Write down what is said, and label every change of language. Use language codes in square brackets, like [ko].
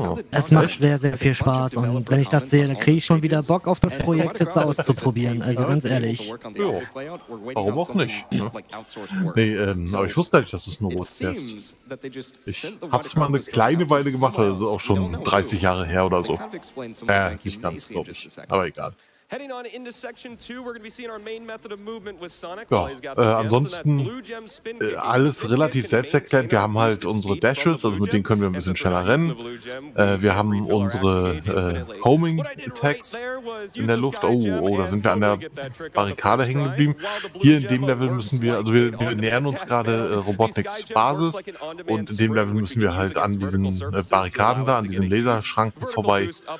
[de] Es macht sehr, sehr viel Spaß. Und wenn ich das sehe, dann kriege ich schon wieder Bock auf das Projekt jetzt auszuprobieren. Also ganz ehrlich. Jo. Warum auch nicht? Ne? Nee, aber ich wusste nicht, dass du Snowboard fährst. Ich habe es mal eine kleine Weile gemacht, also auch schon 30 Jahre her oder so. Nicht ganz, glaube ich. Aber egal. [en] Heading on into section 2, we're going to be seeing our main method of movement with Sonic. [de] Ja, ansonsten alles relativ selbsterklärend. Wir haben halt unsere Dashes, also mit denen können wir ein bisschen schneller rennen. Wir haben unsere Homing Attacks in der Luft. Oh, da sind wir an der Barrikade hängen geblieben. Hier in dem Level müssen wir, also wir nähern uns gerade Robotniks Basis und in dem Level müssen wir halt an diesen Barrikaden da, an diesen Laserschranken vorbei.